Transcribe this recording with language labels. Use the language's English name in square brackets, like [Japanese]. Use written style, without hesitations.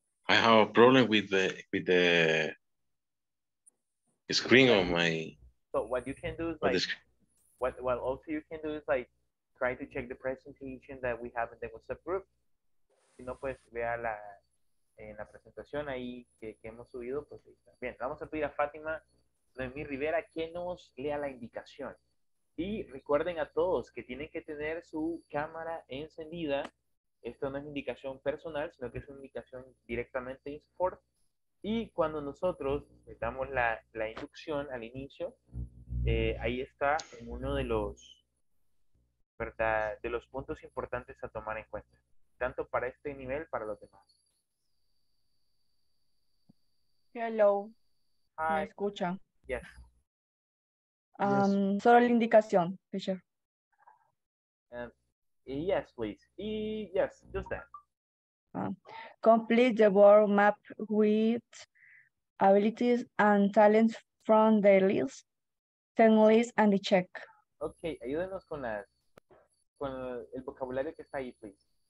[English] I have a problem with the screen on my. So what you can do is like, what also you can do is like, try to check the presentation that we have in the WhatsApp group. [Spanish] Si no puedes ver la en la presentación ahí que hemos subido, pues ahí está. Bien, vamos a pedir a Fátima Noemí Rivera que nos lea la indicación. Y recuerden a todos que tienen que tener su cámara encendida. Esto no es indicación personal, sino que es una indicación directamente de INSAFORP. Y cuando nosotros metamos la inducción al inicio, ahí está en uno de los, ¿verdad?, de los puntos importantes a tomar en cuenta, tanto para este nivel, para los demás. [English] Hello. Hi. ¿Me escucha? Yes. [Spanish] Yes. Solo la indicación, Fisher. [English] Yes, please. Yes, just that. Complete the world map with abilities and talents from the list, ten list and the check. [Spanish] Okay, ayúdenos con las con el vocabulario que está ahí, please.